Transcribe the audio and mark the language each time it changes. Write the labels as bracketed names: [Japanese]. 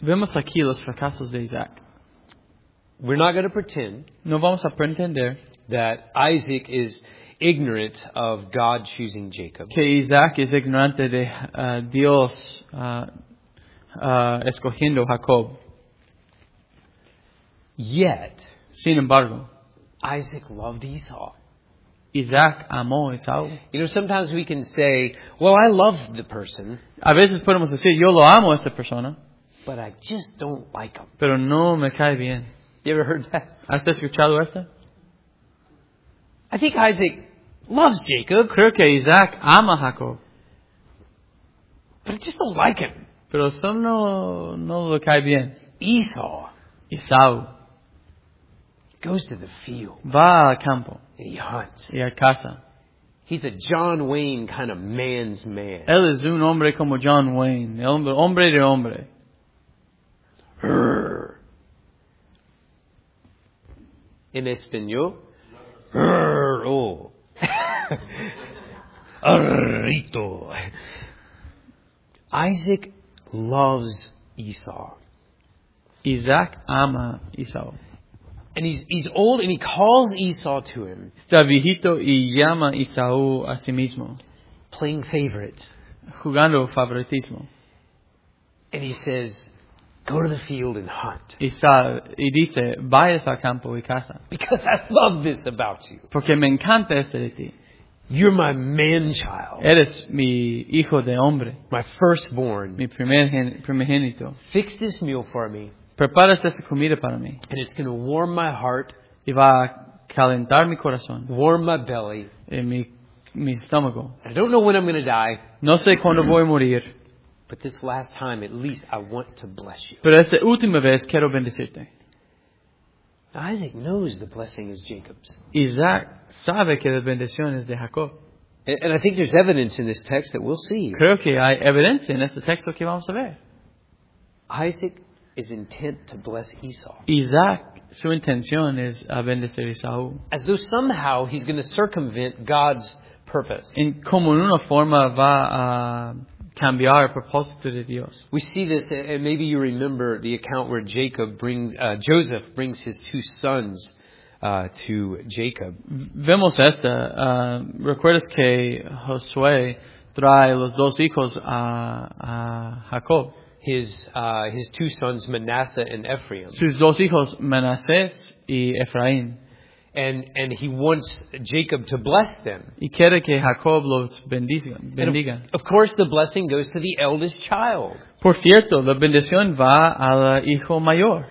[Spanish] Vemos aquí los fracasos de Isaac. [English] We're not going to pretend. [Spanish] No vamos a pretender [English] that Isaac is ignorant of God choosing Jacob. [Spanish] Que Isaac es ignorante de Dios escogiendo Jacob. [English] Yet, [Spanish] sin embargo, [English] Isaac loved Esau. [Spanish] Isaac amó Esau. [English] You know, sometimes we can say, well, I love the person. [Spanish] A veces podemos decir, yo lo amo a esta persona. [English] But I just don't like him. [Spanish] Pero no me cae bien. [English] You ever heard that? [Spanish] ¿Has escuchado eso? [English] I think Isaac loves Jacob. [Spanish] Creo que Isaac ama Jacob. [English] But I just don't like him. [Spanish] Pero some no lo cae bien. [English] Esau. [Spanish] Esau. [English] Goes to the field. [Spanish] Va al campo. [English] And he hunts. [Spanish] Y a casa. [English] He's a John Wayne kind of man's man. [Spanish] Él es un hombre como John Wayne. Hombre de hombre. En español. Oh. [English] Arrito. Isaac loves Esau. [Spanish] Isaac ama Esau. [English] And he's old and he calls Esau to him. [Spanish] Está viejito y llama Esau a sí mismo. [English] Playing favorites. [Spanish] Jugando favoritismo. [English] And he says, go to the field and hunt. [Spanish] Y dice, vayas al campo y caza. [English] Because I love this about you. [Spanish] Porque me encanta esto de ti. [English] You're my man child. [Spanish] Eres mi hijo de hombre. [English] My firstborn. [Spanish] Mi primogénito. [English] Fix this meal for me. [Spanish] Preparas esta comida para mí. [English] And it's going to warm my heart. [Spanish] Y va a calentar mi corazón. [English] Warm my belly. [Spanish] Y mi estómago. [English] I don't know when I'm going to die. [Spanish] No sé cuándo voy a morir. [English] But this last time, at least, I want to bless you. [Spanish] Pero esta última vez, quiero bendecirte. [English] Isaac knows the blessing is Jacob's. [Spanish] Isaac sabe que la bendición es de Jacob. [English] And I think there's evidence in this text that we'll see. [Spanish] Creo que hay evidencia en este texto que vamos a ver. [English] Isaac is intent to bless Esau. [Spanish] Isaac, su intención es a bendecir Esau. [English] As though somehow he's going to circumvent God's purpose. [Spanish] En como en una forma va a cambiar el propósito de Dios. [English] We see this, and maybe you remember the account where Joseph brings his two sons to Jacob. [Spanish] Vemos esta. Recuerdas que Josué trae los dos hijos a Jacob. [English] His two sons, Manasseh and Ephraim. [Spanish] Sus dos hijos, Manasés y Efraín. [English] And he wants Jacob to bless them. [Spanish] Y quiere que Jacob los bendiga. [English] Of course, the blessing goes to the eldest child. [Spanish] Por cierto, la bendición va al hijo mayor.